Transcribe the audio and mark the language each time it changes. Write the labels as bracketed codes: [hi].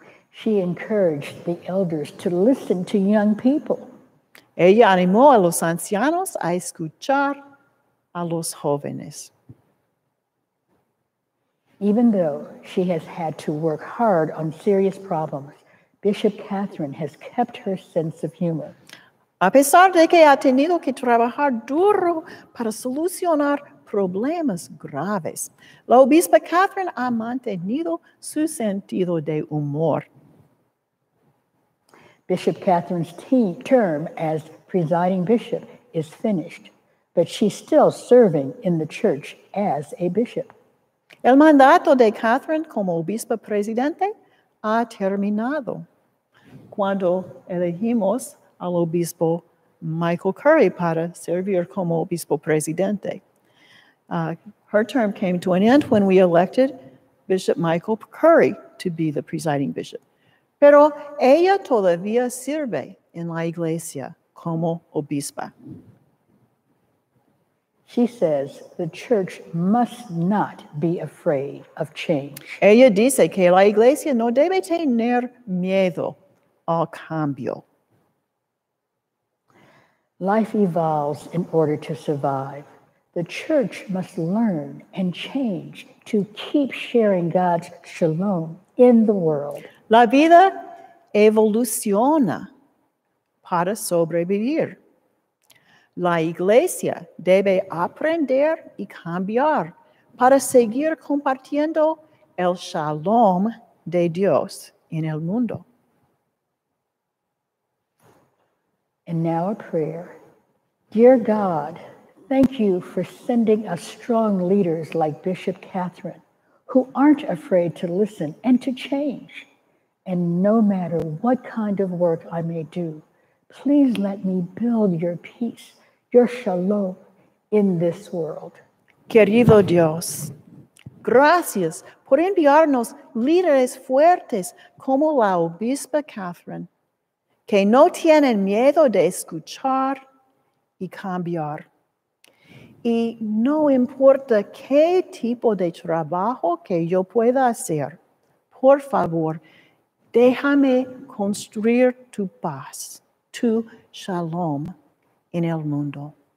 [en] She encouraged the elders to listen to young people. [es] Ella animó a los ancianos a escuchar a los jóvenes. [en] Even though she has had to work hard on serious problems, Bishop Katharine has kept her sense of humor. [es] A pesar de que ha tenido que trabajar duro para solucionar problemas graves, la obispa Katharine ha mantenido su sentido de humor. [en] Bishop Katharine's term as presiding bishop is finished, but she's still serving in the church as a bishop. [es] El mandato de Katharine como obispa presidente ha terminado cuando elegimos al obispo Michael Curry para servir como obispo presidente. [en] Her term came to an end when we elected Bishop Michael Curry to be the presiding bishop. [es] Pero ella todavía sirve en la iglesia como obispa. [en] She says the church must not be afraid of change. [es] Ella dice que la iglesia no debe tener miedo al cambio. [en] Life evolves in order to survive. The church must learn and change to keep sharing God's shalom in the world. [es] La vida evoluciona para sobrevivir. La iglesia debe aprender y cambiar para seguir compartiendo el shalom de Dios en el mundo. [en] And now a prayer. Dear God, thank you for sending us strong leaders like Bishop Katharine, who aren't afraid to listen and to change. And no matter what kind of work I may do, please let me build your peace, your shalom in this world. [es] Querido Dios, gracias por enviarnos líderes fuertes como la obispa Katharine, que no tienen miedo de escuchar y cambiar. Y no importa qué tipo de trabajo que yo pueda hacer, por favor, déjame construir tu paz, tu shalom en el mundo.